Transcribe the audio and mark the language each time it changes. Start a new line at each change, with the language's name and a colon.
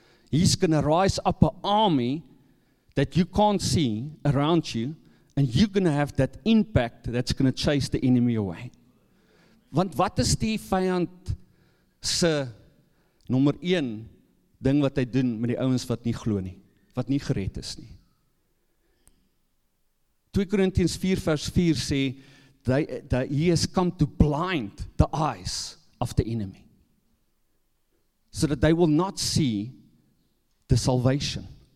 English: He's gonna rise up an army that you can't see around you, and you're gonna have that impact that's gonna chase the enemy away.
Afrikaans: Want wat is die vijand se nummer 1 ding wat hy doen met die ouens wat nie glo nie, wat nie gered is nie? 2 Korintiërs 4 vers 4 sê,
English: that he has come to blind the eyes of the enemy, so that they will not see the salvation.